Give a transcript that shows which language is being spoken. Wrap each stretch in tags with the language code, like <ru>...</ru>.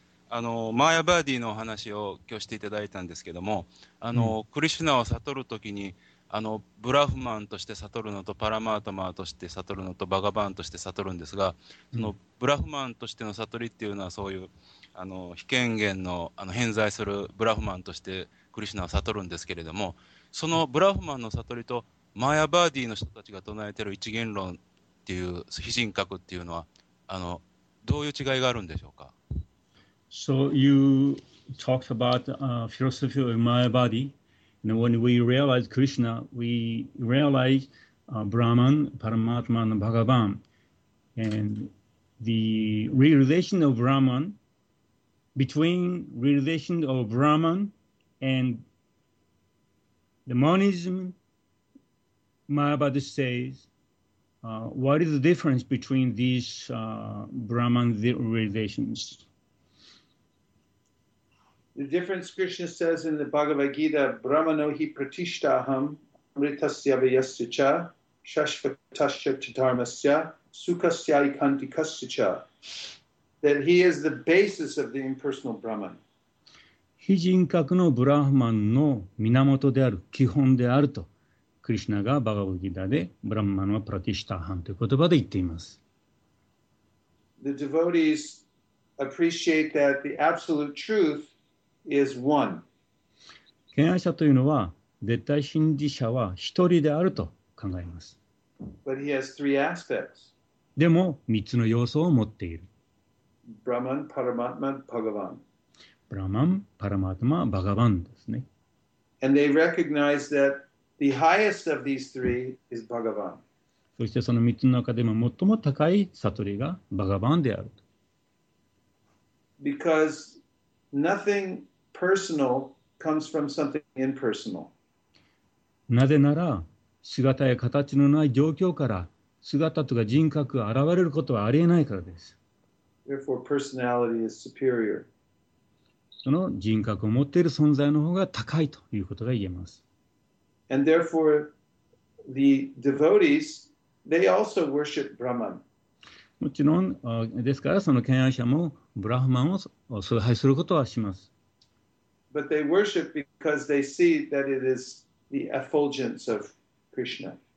<ja>あのマーヤバーディのお話を今日していただいたんですけども、あの、うん、クリシュナを悟るときに、あのブラフマンとして悟るのとパラマートマーとして悟るのとバガバーンとして悟るんですが、そのブラフマンとしての悟りっていうのはそういうあの非権限の、 あの偏在するブラフマンとしてクリシュナは悟るんですけれども、そのブラフマンの悟りとマヤバーディの人たちが唱えてる一元論っていう非人格っていうのはあのどういう違いがあるんでしょうか？</ja> <en>So you talked about philosophy of Maya Body. And when we realize Krishna, we realize Brahman, Paramatman, and Bhagavan. And the realization of Brahman, between realization of Brahman and the monism, Mayavada says, what is the difference between these Brahman realizations? The difference Krishna says in the Bhagavad Gita,</en> <sa>Brahmano hi pratishtaham mritasya vyasticha shashvatascha chitarmasya sukasya ikantikasticha,</sa> <en>that he is the basis of the impersonal Brahman.</en> <ja>非人格のブラフマンの源である、基本であると、クリシナがバガバギダでブラマノプラティシタハンという言葉で言っています。</ja> <en>The devotees appreciate that the absolute truth is one.</en> <ja>権威者というのは絶対真理者は一人であると考えます。</ja> <en>But he has three aspects.</en> <ja>でも三つの要素を持っている。</ja> <en>Brahman, Paramatman, Bhagavan.</en> <ja>Brahman, Paramatma, Bhagavan ですね。</ja> <en>And they recognize that the highest of these three is Bhagavan.</en> <ja>そしてその三つの中でも最も高い悟りがバガバンであると。</ja> <en>Because nothing personal comes from something impersonal.</en> <ja>なぜなら、姿や形のない状況から姿とか人格が現れることはありえないからです。</ja> <en>Therefore, personality is superior.</en> <ja>その人格を持っている存在の方が高いということが言えます。</ja> <en>And therefore, the devotees, they also worship Brahman.</en> <ja>もちろん、ですからその権威者もブラフマンを崇拝することはします。</ja> <en>But they worship because they see that it is the effulgence of Krishna.</en>